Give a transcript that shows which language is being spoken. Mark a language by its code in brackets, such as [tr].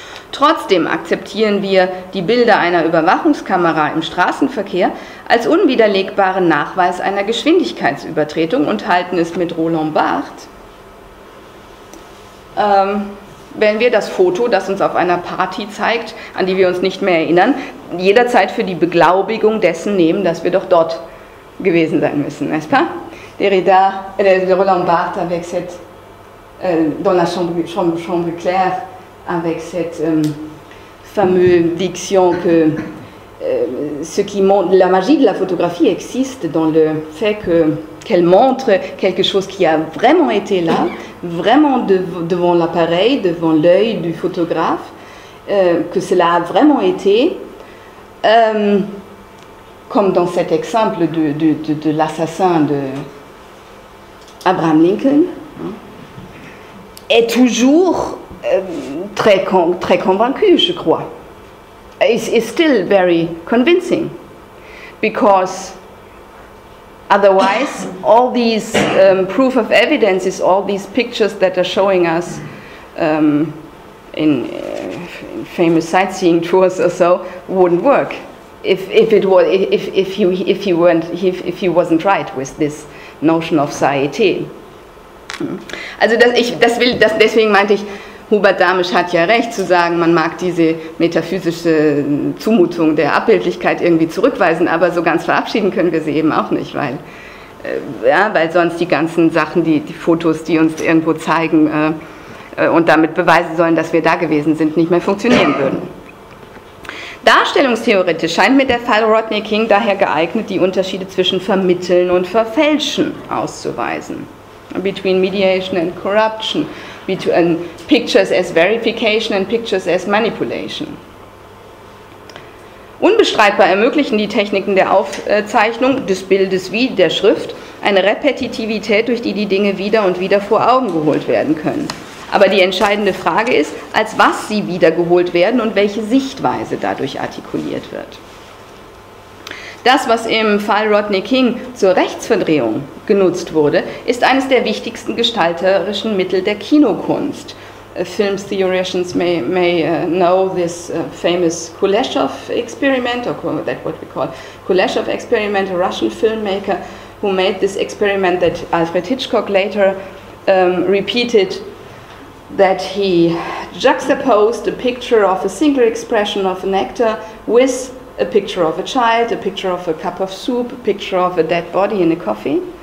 [de] Trotzdem akzeptieren wir die Bilder einer Überwachungskamera im Straßenverkehr als unwiderlegbaren Nachweis einer Geschwindigkeitsübertretung und halten es mit Roland Barthes, wenn wir das Foto, das uns auf einer Party zeigt, an die wir uns nicht mehr erinnern, jederzeit für die Beglaubigung dessen nehmen, dass wir doch dort gewesen sein müssen, [fr] n'est-ce pas? Derrida, Roland Barthes avec cette, dans la chambre claire, avec cette fameuse diction que ce qui montre, la magie de la photographie existe dans le fait que qu'elle montre quelque chose qui a vraiment été là, vraiment devant l'appareil, devant l'œil du photographe, que cela a vraiment été, comme dans cet exemple de l'assassin de Abraham Lincoln, est toujours très convaincu, je crois. [en] It's still very convincing, because otherwise, all these proof of evidence, all these pictures that are showing us in famous sightseeing tours or so, wouldn't work. If he wasn't right with this notion of Saeté. [de] Also, deswegen meinte ich, Hubert Damisch hat ja recht zu sagen, man mag diese metaphysische Zumutung der Abbildlichkeit irgendwie zurückweisen, aber so ganz verabschieden können wir sie eben auch nicht, weil sonst die ganzen Sachen, die Fotos, die uns irgendwo zeigen und damit beweisen sollen, dass wir da gewesen sind, nicht mehr funktionieren würden. Darstellungstheoretisch scheint mir der Fall Rodney King daher geeignet, die Unterschiede zwischen Vermitteln und Verfälschen auszuweisen. [en] Between mediation and corruption, between pictures as verification and pictures as manipulation. [de] Unbestreitbar ermöglichen die Techniken der Aufzeichnung des Bildes wie der Schrift eine Repetitivität, durch die die Dinge wieder und wieder vor Augen geholt werden können. Aber die entscheidende Frage ist, als was sie wiedergeholt werden und welche Sichtweise dadurch artikuliert wird. Das, was im Fall Rodney King zur Rechtsverdrehung genutzt wurde, ist eines der wichtigsten gestalterischen Mittel der Kinokunst. [en] Film theorists may know this famous Kuleshov experiment, or that what we call Kuleshov experiment, a Russian filmmaker who made this experiment that Alfred Hitchcock later repeated, that he juxtaposed a picture of a single expression of an actor with a picture of a child, a picture of a cup of soup, a picture of a dead body in a coffee.